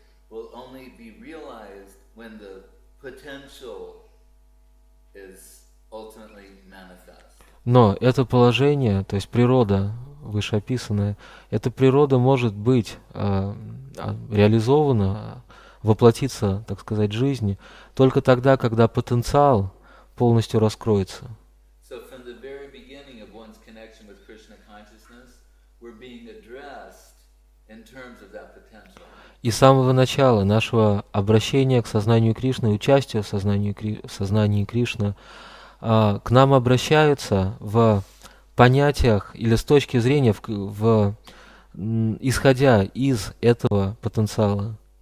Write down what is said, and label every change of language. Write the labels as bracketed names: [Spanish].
[English] Will only be realized when the potential is ultimately manifest. [Russian] Но это положение, то есть природа вышеописанная, эта природа может быть реализована, воплотиться, так сказать, в жизни только тогда, когда потенциал полностью раскроется. [English] So from the very beginning of one's connection with Krishna consciousness, we're being addressed in terms of that potential. [Russian] И с самого начала нашего обращения к сознанию Кришны, участия в сознании Кришны, к нам обращаются в понятиях или с точки зрения, исходя из этого потенциала.